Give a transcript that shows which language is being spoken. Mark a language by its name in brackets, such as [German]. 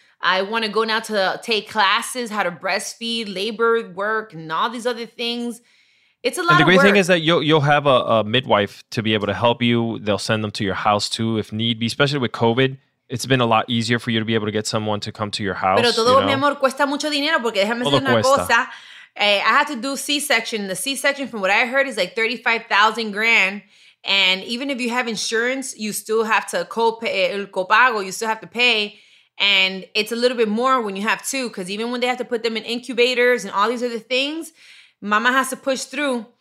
[English] I want to go now to take classes, how to breastfeed, labor work, and all these other things. It's a lot of work. The great thing is that you'll have a midwife to be able to help you. They'll send them to your house too if need be, especially with COVID. it's been a lot easier for you to be able to get someone to come to your house. [Spanish] Pero todo, mi amor, cuesta mucho dinero porque déjame decir una cosa. [English] I had to do C-section. The C-section, from what I heard, is like $35,000 grand. And even if you have insurance, you still have to copago. You still have to pay. And it's a little bit more when you have two, because even when they have to put them in incubators and all these other things, mama has to push through.